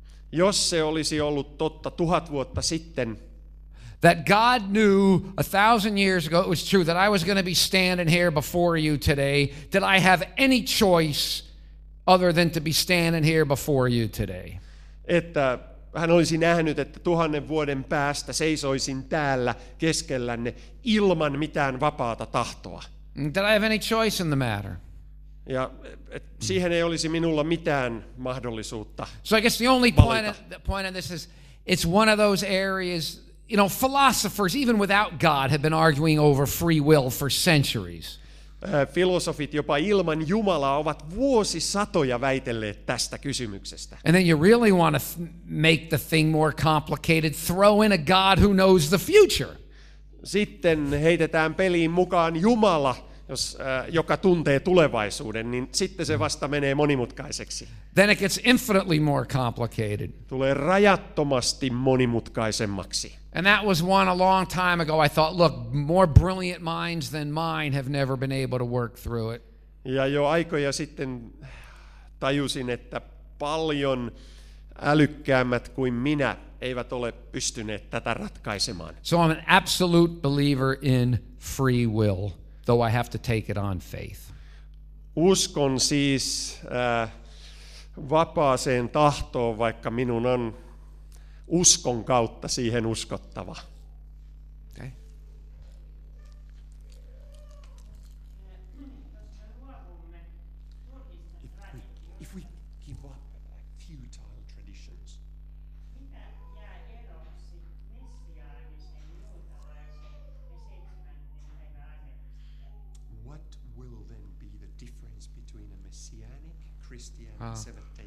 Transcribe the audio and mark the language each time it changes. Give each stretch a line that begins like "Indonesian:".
Finnish: jos se olisi ollut totta 1,000 vuotta sitten,
English: that God knew 1,000 years ago it was true that I was going to be standing here before you today, did I have any choice other than to be standing here before you today?
Finnish: Että hän olisi nähnyt, että 1,000 vuoden päästä seisoisin täällä keskellänne ilman mitään vapaata tahtoa.
English: Did I have any choice in the matter?
Finnish: Ja siihen ei olisi minulla mitään mahdollisuutta.
English: So I guess the only point of this is, it's one of those areas, you know, philosophers, even without God, have been arguing over free will for centuries.
Finnish: Filosofit jopa ilman Jumalaa ovat vuosisatoja väitelleet tästä kysymyksestä.
English: And then you really want to make the thing more complicated, throw in a God who knows the future.
Finnish: Sitten heitetään peliin mukaan Jumala, joka tuntee tulevaisuuden, niin sitten se vasta menee monimutkaiseksi.
English: Then it gets infinitely more complicated.
Finnish: Tulee rajattomasti monimutkaisemmaksi.
English: And that was one a long time ago. I thought, look, more brilliant minds than mine have never been able to work through it.
Finnish: Ja jo aikoja sitten tajusin, että paljon älykkäämmät kuin minä eivät ole pystyneet tätä ratkaisemaan.
English: So I'm an absolute believer in free will, though I have to take it on faith.
Finnish: Uskon siis vapaaseen tahtoon, vaikka minun on uskon kautta siihen uskottava.
English: Okay. If we give up futile traditions.
Finnish: Mitä jää eroksi messiaanisen juutalaisen?
English: What will then be the difference between a messianic Christian and seventh-day